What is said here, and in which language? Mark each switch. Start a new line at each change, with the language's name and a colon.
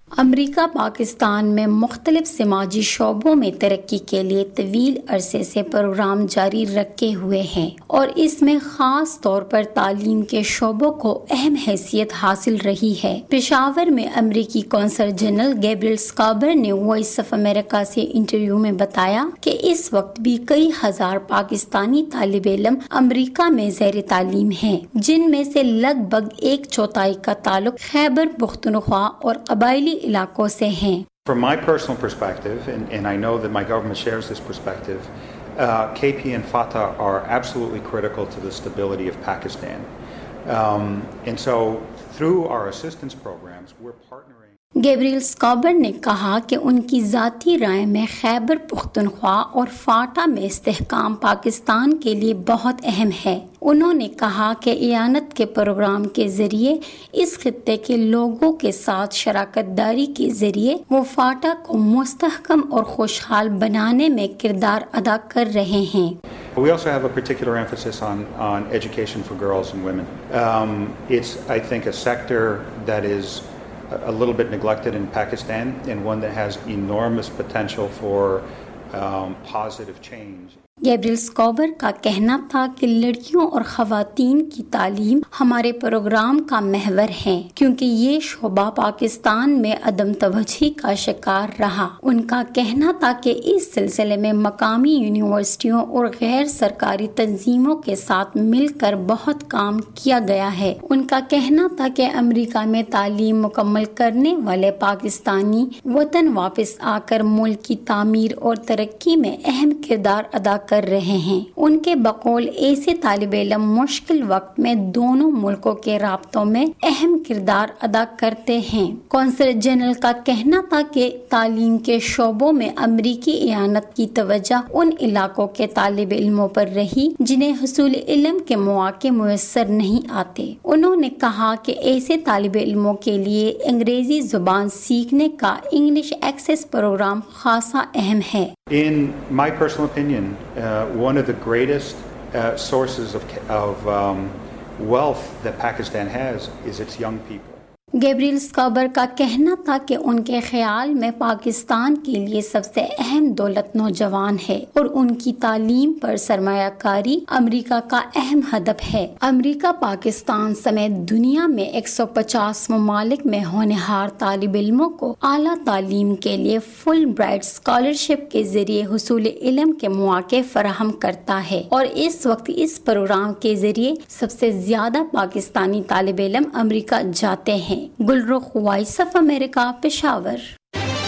Urdu: امریکہ پاکستان میں مختلف سماجی شعبوں میں ترقی کے لیے طویل عرصے سے پروگرام جاری رکھے ہوئے ہیں اور اس میں خاص طور پر تعلیم کے شعبوں کو اہم حیثیت حاصل رہی ہے۔ پشاور میں امریکی کونسل جنرل گیبریل سکابر نے وائس آف امریکہ سے انٹرویو میں بتایا کہ اس وقت بھی کئی ہزار پاکستانی طالب علم امریکہ میں زیر تعلیم ہیں، جن میں سے لگ بھگ ایک چوتھائی کا تعلق خیبر پختونخوا اور قبائل علاقوں سے ہیں۔
English: From my personal perspective, and I know that my government shares this perspective, KP and FATA are absolutely critical to the stability of Pakistan. And so through our assistance programs, we're partnering.
Urdu: Gabriel سکابر نے کہا کہ ان کی ذاتی رائے میں خیبر پختونخوا اور FATA میں استحکام پاکستان کے لیے بہت اہم ہے۔ انہوں نے کہا کہ اعانت کے پروگرام کے ذریعے اس خطے کے لوگوں کے ساتھ شراکت داری کے ذریعے وہ فاٹا کو مستحکم اور خوشحال بنانے میں کردار ادا کر رہے ہیں۔
English: We also have a particular emphasis on education for girls and women. It's I think a sector that is a little bit neglected in Pakistan and one that has enormous potential for positive change.
Urdu: Gabriel سکابر کا کہنا تھا کہ لڑکیوں اور خواتین کی تعلیم ہمارے پروگرام کا محور ہے کیونکہ یہ شعبہ پاکستان میں عدم توجہی کا شکار رہا۔ ان کا کہنا تھا کہ اس سلسلے میں مقامی یونیورسٹیوں اور غیر سرکاری تنظیموں کے ساتھ مل کر بہت کام کیا گیا ہے۔ ان کا کہنا تھا کہ امریکہ میں تعلیم مکمل کرنے والے پاکستانی وطن واپس آ کر ملک کی تعمیر اور ترقی میں اہم کردار ادا کر رہے ہیں۔ ان کے بقول ایسے طالب علم مشکل وقت میں دونوں ملکوں کے رابطوں میں اہم کردار ادا کرتے ہیں۔ کونسل جنرل کا کہنا تھا کہ تعلیم کے شعبوں میں امریکی اعانت کی توجہ ان علاقوں کے طالب علموں پر رہی جنہیں حصول علم کے مواقع میسر نہیں آتے۔ انہوں نے کہا کہ ایسے طالب علموں کے لیے انگریزی زبان سیکھنے کا انگلش ایکسس پروگرام خاصا اہم ہے۔
English: In my personal opinion, one of the greatest sources of wealth that Pakistan has is its young people.
Urdu: Gabriel سکابر کا کہنا تھا کہ ان کے خیال میں پاکستان کے لیے سب سے اہم دولت نوجوان ہے اور ان کی تعلیم پر سرمایہ کاری امریکہ کا اہم ہدف ہے۔ امریکہ پاکستان سمیت دنیا میں 150 ممالک میں ہونہار طالب علموں کو اعلیٰ تعلیم کے لیے فل برائٹ اسکالرشپ کے ذریعے حصول علم کے مواقع فراہم کرتا ہے اور اس وقت اس پروگرام کے ذریعے سب سے زیادہ پاکستانی طالب علم امریکہ جاتے ہیں۔ Gulrukh, voice of America, Peshawar.